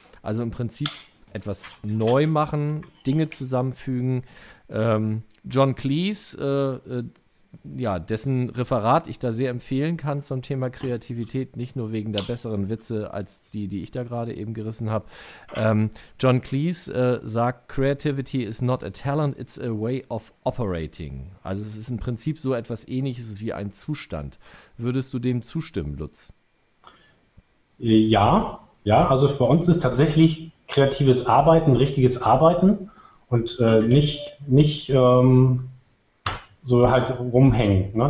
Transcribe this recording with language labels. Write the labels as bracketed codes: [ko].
[de] Also im Prinzip etwas neu machen, Dinge zusammenfügen. John Cleese, dessen Referat ich da sehr empfehlen kann zum Thema Kreativität, nicht nur wegen der besseren Witze als die ich da gerade eben gerissen habe. [en] John Cleese sagt, Creativity is not a talent, it's a way of operating. [de] Also es ist im Prinzip so etwas Ähnliches wie ein Zustand. Würdest du dem zustimmen, Lutz? Ja, also bei uns ist tatsächlich kreatives Arbeiten, richtiges Arbeiten und nicht so halt rumhängen. Ne?